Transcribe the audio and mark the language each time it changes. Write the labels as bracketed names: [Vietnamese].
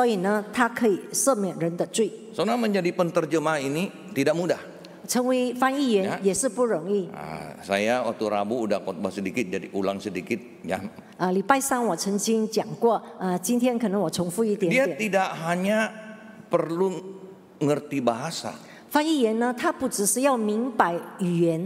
[Chinese] 耶稣他是上帝，所以呢，他可以赦免人的罪. [Indonesian] Saudara, menjadi penterjemah ini tidak mudah. [Chinese] 成为翻译员也是不容易. [Indonesian] Saya waktu Rabu udah khotbah sedikit, jadi ulang sedikit. Ya. [Chinese] 礼拜三我曾经讲过, 今天可能我重复一点点. [Indonesian] Dia tidak hanya perlu ngerti bahasa. [Chinese] 翻译员呢，他不只是要明白语言。